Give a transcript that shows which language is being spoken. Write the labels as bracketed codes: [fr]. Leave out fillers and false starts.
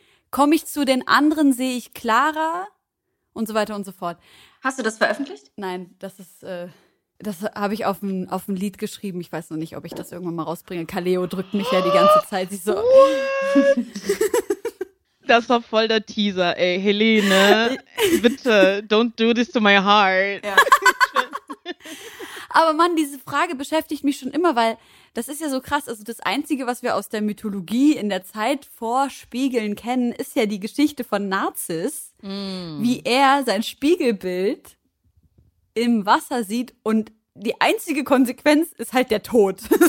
[de] Komme ich zu den anderen, sehe ich klarer. Und so weiter und so fort. Hast du das veröffentlicht? Nein, das habe ich auf ein Lied geschrieben. Ich weiß noch nicht, ob ich das irgendwann mal rausbringe. Kaleo drückt mich ja die ganze Zeit. Sie so. Das war voll der Teaser, ey. [en] Helene, bitte, don't do this to my heart. [de] Ja. Aber Mann, diese Frage beschäftigt mich schon immer, weil das ist ja so krass. Also das Einzige, was wir aus der Mythologie in der Zeit vor Spiegeln kennen, ist ja die Geschichte von Narziss. Wie er sein Spiegelbild im Wasser sieht und die einzige Konsequenz ist halt der Tod.